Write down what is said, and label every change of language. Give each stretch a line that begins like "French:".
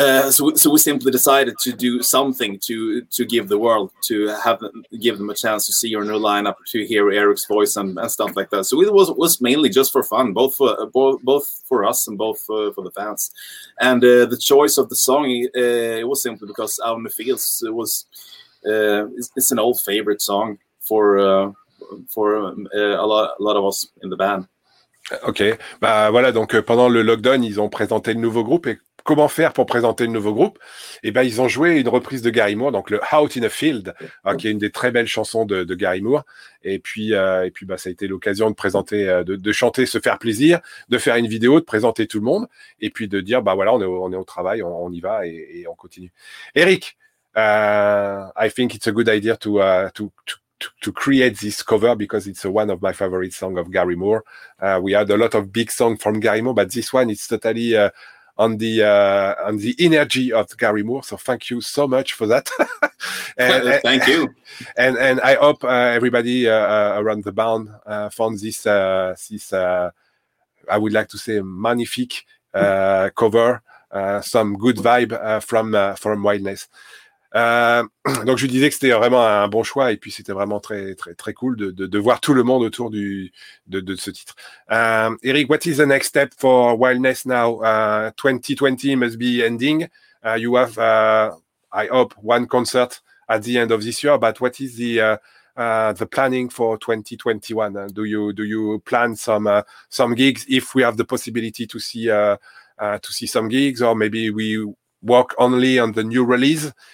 English: So we simply decided to do something to give the world, to give them a chance to see our new lineup, to hear Eric's voice and stuff like that. So it was mainly just for fun, both for us and both for the fans. And the choice of the song, it was simply because Out in the Fields it's an old favorite song for a lot of us in the band.
French: Okay, bah voilà, donc pendant le lockdown, ils ont présenté le nouveau groupe. Et comment faire pour présenter le nouveau groupe? Eh ben, ils ont joué une reprise de Gary Moore, donc le Out in a Field, hein, qui est une des très belles chansons de Gary Moore. Et puis, bah, ça a été l'occasion de présenter, de chanter, se faire plaisir, de faire une vidéo, de présenter tout le monde, et puis de dire, bah voilà, on est au travail, on y va et on continue. Eric,
English: I think it's a good idea to to create this cover because it's one of my favorite songs of Gary Moore. We had a lot of big songs from Gary Moore, but this one is totally on the energy of Gary Moore. So thank you so much for that. thank you. And I hope everybody around the band found this I would like to say magnifique cover, some good vibe from Wildness.
French: Donc je disais que c'était vraiment un bon choix et puis c'était vraiment très très très cool de voir tout le monde autour de ce titre.
English: Eric, what is the next step for Wildness now? 2020 must be ending. You have, I hope, one concert at the end of this year. But what is the planning for 2021? Do you plan some gigs if we have the possibility to see some gigs, or maybe we work only on the new release?